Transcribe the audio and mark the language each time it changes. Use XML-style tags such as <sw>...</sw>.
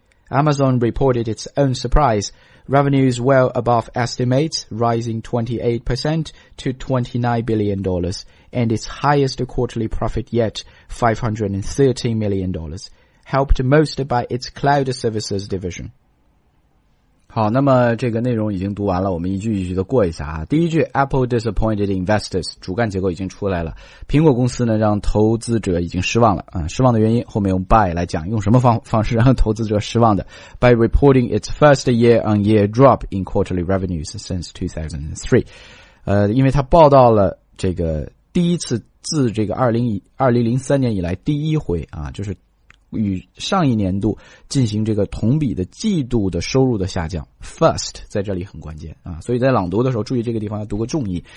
<en>Amazon reported its own surprise. Revenues well above estimates, rising 28% to $29 billion, and its highest quarterly profit yet, $513 million. helped most by its cloud services division.</en> <zh>好，那么这个内容已经读完了，我们一句一句的过一下啊。第一句 ,</zh> <en>Apple disappointed investors,</en> <zh>主干结构已经出来了。苹果公司呢让投资者已经失望了。失望的原因后面用 by 来讲，用什么 方式让投资者失望的。</zh> <en>By reporting its first year-on-year drop in quarterly revenues since 2003.</en> <zh>因为它报道了这个第一次自这个2003年以来第一回啊，就是与上一年度进行这个同比的季度的收入的下降。 First 在这里很关键啊，所以在朗读的时候注意这个地方要读个重音。</zh>